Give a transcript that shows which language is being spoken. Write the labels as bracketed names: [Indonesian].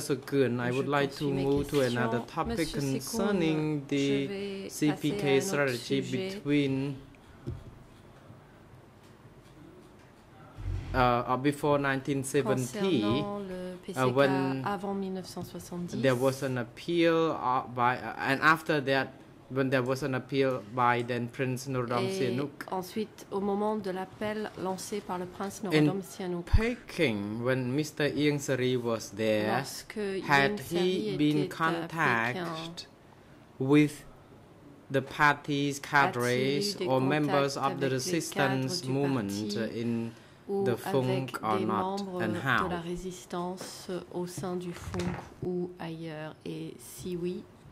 [English] Sogun, I would like to move to another topic concerning the CPK strategy between before 1970, when [French] avant [English] 1970, there was an appeal by, and after that, when there was an appeal by then Prince Norodom Sihanouk. [French] Ensuite, au moment de l'appel lancé par le prince [English] Norodom Sihanouk. In Peking, when Mr. Yeung Sary was there, had he been contacted with the party's cadres or members of the resistance movement in the Funk or not, and how? [French] De la résistance au sein du Funk ou ailleurs, et si oui.